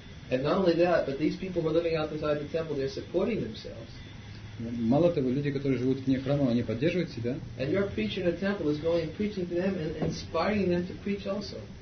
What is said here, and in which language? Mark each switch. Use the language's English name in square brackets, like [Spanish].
[English] And not only that, but these people who are living outside the temple, they're supporting themselves. [Russian] Мало того, люди, которые живут вне храма, они поддерживают себя. [English] And your preacher in the temple is going and preaching to them and inspiring them to preach also.